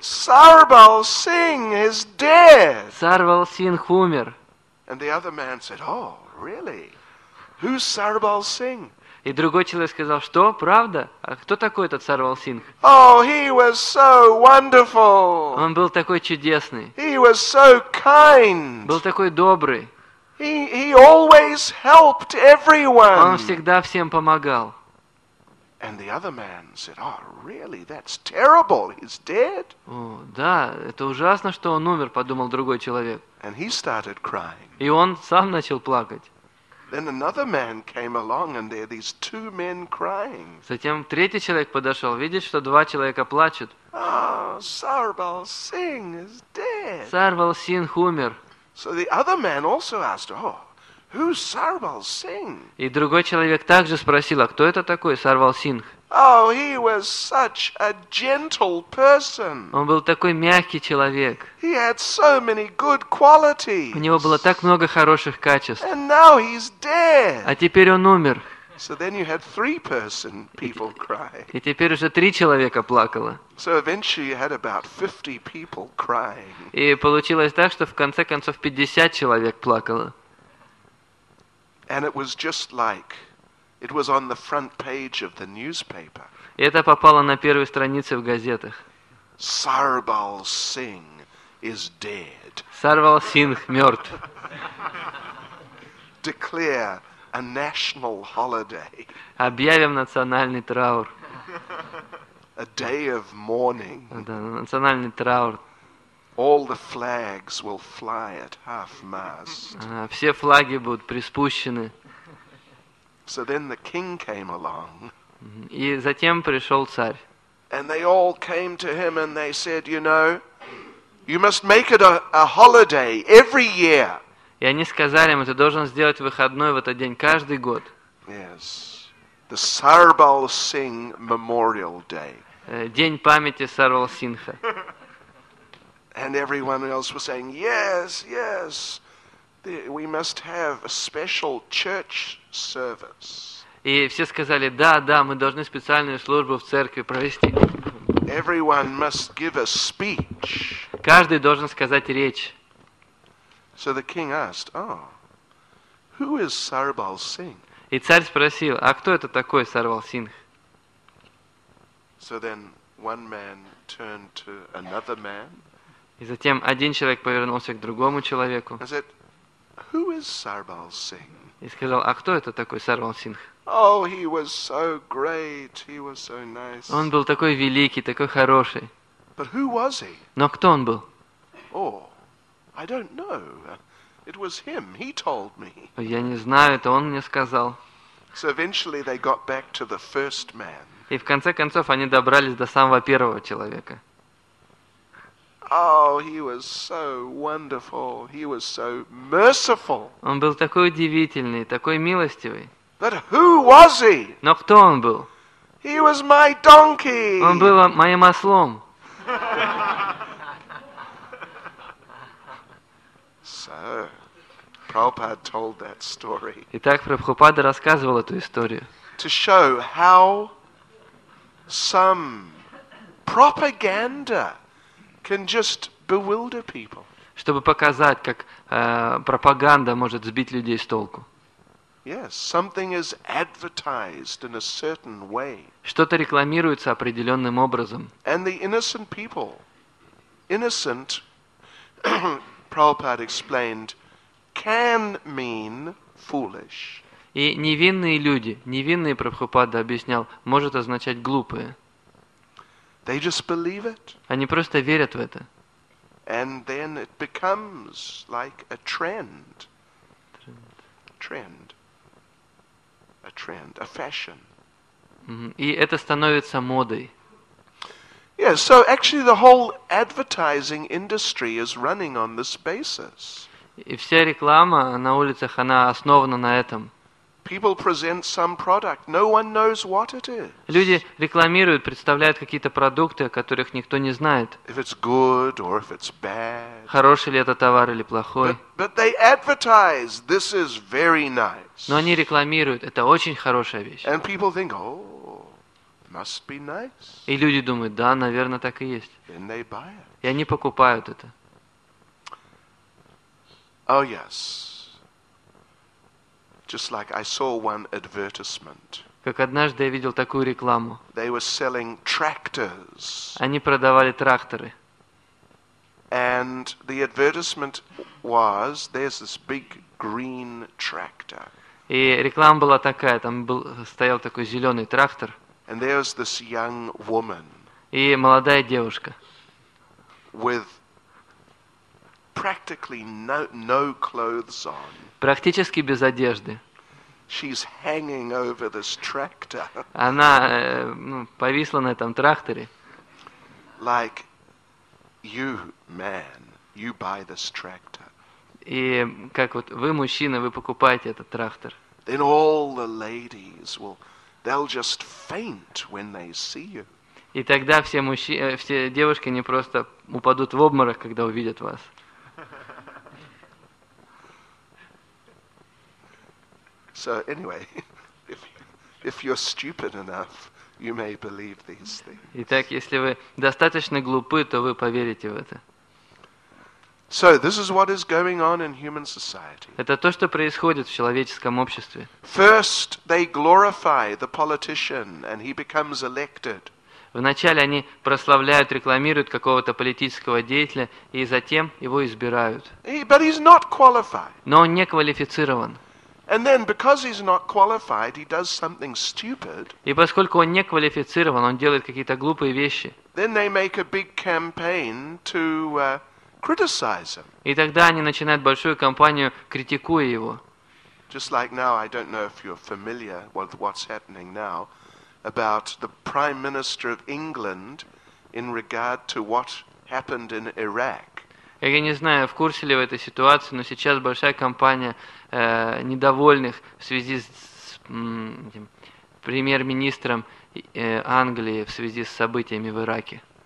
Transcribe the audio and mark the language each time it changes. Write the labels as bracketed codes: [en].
[en] Sarbal Singh is dead. [ru] Sarbal Singh умер. [en] And the other man said, oh, really? Who's Sarbal Singh? [ru] И другой человек сказал, что, правда? А кто такой этот Сарвал Сингх? [en] Oh, he was so wonderful. [ru] Он был такой чудесный. [en] He was so kind. [ru] Был такой добрый. [en] He always helped everyone. [ru] Он всегда всем помогал. [en] And the other man said, oh, really, that's terrible, he's dead. [ru] О, да, это ужасно, что он умер, подумал другой человек. [en] And he started crying. [ru] И он сам начал плакать. [en] Then another man came along, and there are these two men crying. [ru] Затем третий человек подошел, видит, что два человека плачут. [en] Oh, Сарвал Сингх is dead. [ru] Сарвал Сингх умер. [en] So the other man also asked, oh, who's Сарвал Сингх? [ru] И другой человек также спросил, а кто это такой, Сарвал Сингх? [en] Oh, he was such a gentle person. [ru] Он был такой мягкий человек. [en] He had so many good qualities. [ru] У него было так много хороших качеств. [en] And now he's dead. [ru] А теперь он умер. [en] So then you had three person people cry. [ru] И теперь уже три человека плакало. [en] So eventually you had about 50 people crying. [ru] И получилось так, что в конце концов 50 человек плакало. [en] And it was just like it was on the front page of the newspaper. [ru] Это попало на первой странице в газетах. [en] Сарвал Сингх is dead. [ru] Сарвал Сингх мертв. [en] Declare a national holiday. [ru] Объявим национальный траур. [en] A day of mourning. [ru] Национальный траур. [en] All the flags will fly at half mast. [ru] Все флаги будут приспущены. [en] So then the king came along. [ru] И затем пришел царь. [en] And they all came to him and they said, you know, you must make it a holiday every year. [ru] И они сказали ему, ты должен сделать выходной в этот день каждый год. [en] Yes, the Сарвал Сингх Memorial Day. [ru] День памяти Сарвал Сингха. [en] And everyone else was saying, yes, yes, we must have a special church service. [ru] И все сказали, да, да, мы должны специальную службу в церкви провести. [en] Everyone must give a speech. [ru] Каждый должен сказать речь. [en] So the king asked, oh, who is Сарвал Сингх? [ru] И царь спросил, а кто это такой Сарвал Сингх? [en] So then one man turned to another man. [ru] И затем один человек повернулся к другому человеку. [en] I said, who is Сарвал Сингх? [ru] И сказал, а кто это такой Сарвал Сингх? [en] Oh, he was so great. He was so nice. [ru] Он был такой великий, такой хороший. [en] But who was he? [ru] Но кто он был? [en] Oh, I don't know. It was him. He told me. [ru] Я не знаю, это он мне сказал. [en] So eventually they got back to the first man. [ru] И в конце концов они добрались до самого первого человека. [en] Oh, he was so wonderful. He was so merciful. [ru] Он был такой удивительный, такой милостивый. [en] But who was he? [ru] Но кто он был? [en] He was my donkey. [ru] Он был моим ослом. [en] So, Prabhupada told that story. [ru] Итак, Прабхупада рассказывал эту историю. [en] To show how some propaganda can just bewilder people. [ru] Чтобы показать, как пропаганда может сбить людей с толку. [en] Yes, something is advertised in a certain way. [ru] Что-то рекламируется определенным образом. [en] And the innocent people, innocent, Prabhupada explained, can mean foolish. [ru] И невинные люди, невинные, Прабхупада объяснял, может означать глупые. [en] They just believe it. [ru] Они просто верят в это. [en] And then it becomes like a trend. Trend. A trend, a fashion. [ru] И это становится модой. [en] Yeah, so actually the whole advertising industry is running on this basis. [ru] И вся реклама на улицах, она основана на этом. [en] People present some product. No one knows what it is. [ru] Люди рекламируют, представляют какие-то продукты, о которых никто не знает. [en] If it's good or if it's bad. [ru] Хороший ли это товар или плохой. [en] But they advertise, this is very nice. [ru] Но они рекламируют, это очень хорошая вещь. [en] And people think, oh, must be nice. [ru] И люди думают, да, наверное, так и есть. [en] Then they buy it. [ru] И они покупают это. [en] Oh, yes. Just like I saw one advertisement. [ru] Как однажды я видел такую рекламу. [en] They were selling tractors. [ru] Они продавали тракторы. [en] And the advertisement was, there's this big green tractor. [ru] И реклама была такая, там был, стоял такой зеленый трактор. [en] And there's this young woman. [ru] И молодая девушка. [en] With practically no clothes on. [ru] Практически без одежды. [en] She's hanging over this tractor. [ru] Она повисла на этом тракторе. [en] Like you, man, you buy this tractor. [ru] И как вот вы мужчина, вы покупаете этот трактор. [en] Then all the ladies will, they'll just faint when they see you. [ru] И тогда все мужчины, все девушки, они просто упадут в обморок, когда увидят вас. [en] So anyway, if you're stupid enough, you may believe these things. [ru] Итак, если вы достаточно глупы, то вы поверите в это. [en] So this is what is going on in human society. [ru] Это то, что происходит в человеческом обществе. [en] First, they glorify the politician, and he becomes elected. [ru] Вначале они прославляют, рекламируют какого-то политического деятеля, и затем его избирают. [en] But he's not qualified. [ru] Но он не квалифицирован. [en] And then, because he's not qualified, he does something stupid. [ru] И поскольку он не квалифицирован, он делает какие-то глупые вещи. [en] Then they make a big campaign to criticize him. [ru] И тогда они начинают большую кампанию, критикуя его. [en] Just like now, I don't know if you're familiar with what's happening now about the Prime Minister of England in regard to what happened in Iraq. [ru] Я не знаю, в курсе ли вы этой ситуации, но сейчас большая кампания недовольных в связи с премьер-министром Англии в связи с событиями в Ираке.